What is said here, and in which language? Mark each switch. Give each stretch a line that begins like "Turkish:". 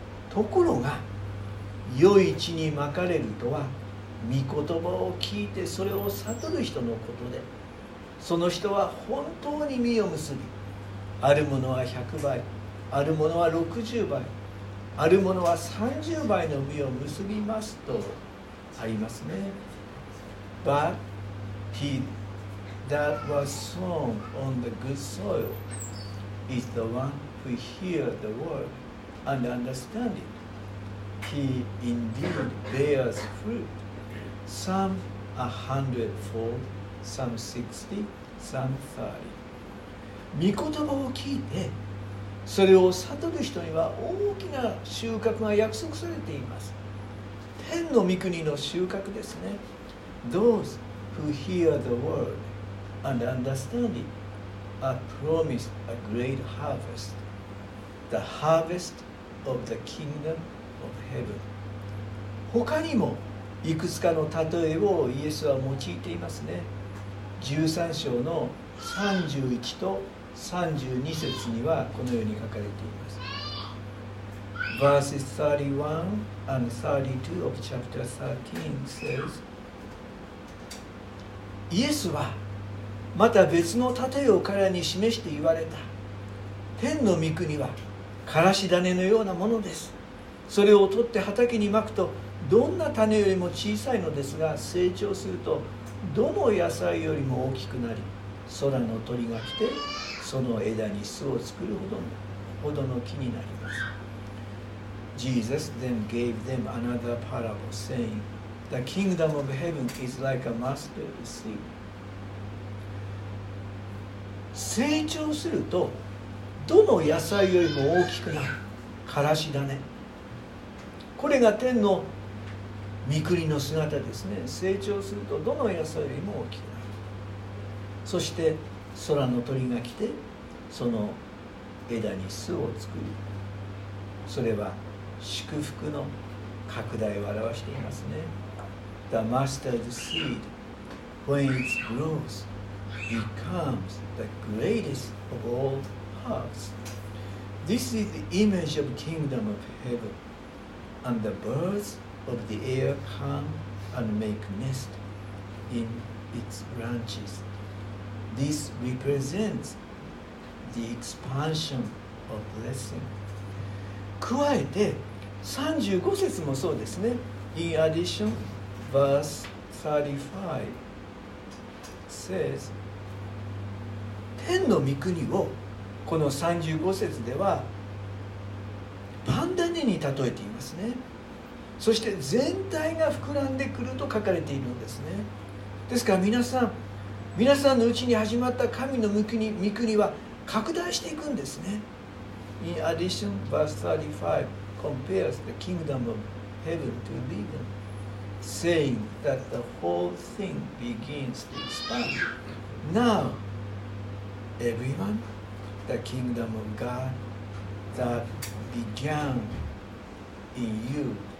Japanese: ところが、良い地にまかれるとは、御言葉を聞いてそれを悟る人のことで、その人は本当に実を結び、あるものは100倍、あるものは60倍、あるものは30倍の実を結びますとありますね。
English: But he that was sown on the good soil is the one who hears the word and understands it. He indeed bears fruit. Some a hundredfold, some 60, some 30.
Japanese: 御言葉を聞いてそれを悟る人には大きな収穫が約束されています。天の御国の収穫ですね。
English: Those who hear the word and understand it are promised a great harvest, the harvest of the kingdom of heaven.
Japanese: 他にもいくつかの例えをイエスは用いていますね。 13章の31と32節にはこのように書かれています。
English: Verses 31 and 32 of chapter 13 says,
Japanese: イエスはまた別の例えを彼らに示して言われた。天の御国はからし種のようなものです。それを取って畑にまくとどんな種よりも小さいのですが、成長するとどの野菜よりも大きくなり、空の鳥が来てその枝に巣を作るほどの木になります。
English: Jesus then gave them another parable saying, The kingdom of heaven is like a mustard seed.
Japanese: 成長するとどの野菜よりも大きくなる。からし種、これが天の御国の姿ですね。成長するとどの野菜よりも大きくなる。そして空の鳥が来てその枝に巣を作る。それは祝福の拡大を表していますね。
English: The mustard seed, when it grows, becomes the greatest of all herbs. This is the image of kingdom of heaven, and the birds of the air come and make nest in its branches. This represents the expansion of blessing.
Japanese: 加えて35節もそうですね。
English: In addition, verse 35 says,
Japanese: 天の御国をこの35節ではパン種に例えていますね。そして全体が膨らんでくると書かれているんですね。ですから皆さんのうちに始まった神の御国は拡大していくんですね。
English: In addition, verse 35 compares the kingdom of heaven to vegan, saying that the whole thing begins to expand. Now, everyone, the kingdom of God that began in you.